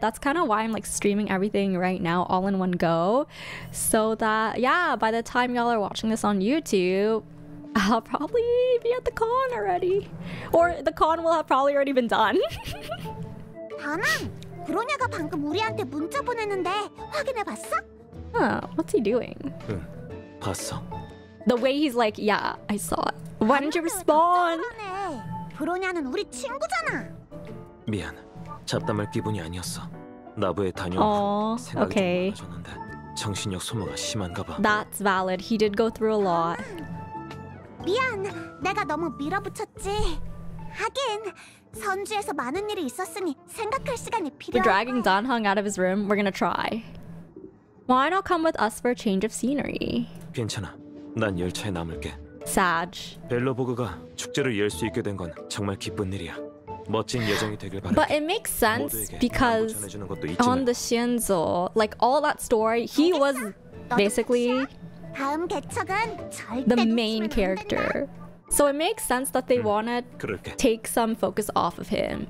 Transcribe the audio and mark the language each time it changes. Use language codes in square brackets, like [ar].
[en] That's kind of why I'm like streaming everything right now all in one go. So that, yeah, by the time y'all are watching this on YouTube, I'll probably be at the con already. Or the con will have probably already been done. [ko] 다만, 브로냐가 방금 우리한테 문자 보냈는데 확인해봤어? [en] What's he doing? [ko] 응, 봤어. [en] The way he's like, yeah, I saw it. Why didn't you respond? [ko] 브로냐는 우리 친구잖아. 미안, 잡담할 기분이 아니었어. 나부에 다녀온 후 생각이 좀 많아졌는데 정신력 소모가 심한가 봐. [en] That's valid. He did go through a lot. [ko] 미안, 내가 너무 밀어붙였지. 하긴 선주에서 많은 일이 있었으니 생각할 시간이 필요. [en] We're dragging Danhung out of his room. We're gonna try. Why not come with us for a change of scenery? [ko] 괜찮아, 난 열차에 남을게. [en] Sad. [ko] 벨로보그가 축제를 열 수 있게 된 건 정말 기쁜 일이야. [en] But it makes sense because on the Shinzo, like all that story, he was basically the main character. So it makes sense that they want to take some focus off of him.